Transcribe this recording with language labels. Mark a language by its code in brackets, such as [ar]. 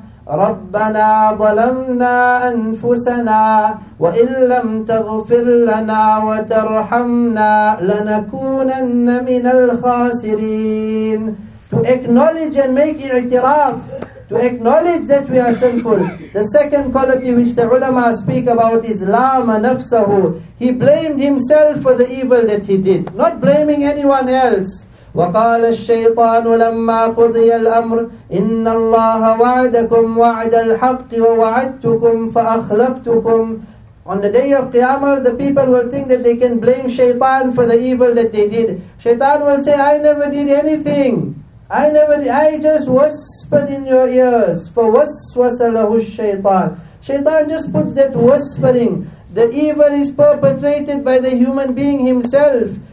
[ar] رَبَّنَا ظَلَمْنَا أَنفُسَنَا وَإِن لَّمْ تَغْفِرْ لَنَا وَتَرْحَمْنَا لَنَكُونَنَّ مِنَ الْخَاسِرِينَ. [en] To acknowledge and make i'tiraf, to acknowledge that we are sinful. The second quality which the ulama speak about is lama nafsahu. He blamed himself for the evil that he did, not blaming anyone else. [ar] وقال الشيطان لما قضي الأمر إن الله وعدكم وعد الحق ووعدتكم فأخلفتكم. [en] On the day of Qiyamah, the people will think that they can blame Shaytan for the evil that they did. Shaytan will say, I never did anything. I just whispered in your ears. [ar] فوسوس له الشيطان. [en] Shaytan just puts that whispering. The evil is perpetrated by the human being himself.